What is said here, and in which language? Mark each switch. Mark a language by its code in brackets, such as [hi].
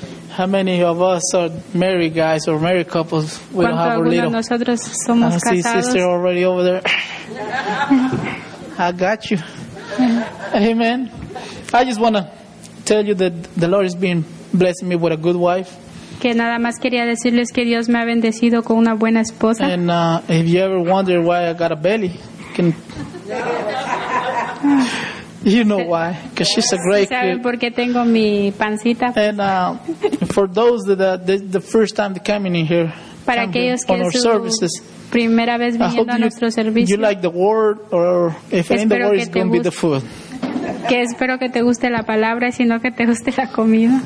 [en] How many of us are married guys or married couples? We don't have a little. [es] Nosotros somos casados. [en] I see sister already over there. I got you. Amen. I just want to tell you that the Lord has been blessing me with a good wife. [es] Que nada más quería decirles que Dios me ha bendecido con una buena esposa. [en] And if you ever wonder why I got a belly, can you know why? Because she's a great kid. [es] ¿Saben por qué tengo mi pancita? [en] And for those that are the first time coming in here, [es] para aquellos que [en] on our services, [es] primera vez viniendo [en] I hope [es] a nuestro servicio. [en] You like the word, or if [es] espero [en] any the word is going to be the food. [es] Que espero que te guste la palabra, sino que te guste la comida.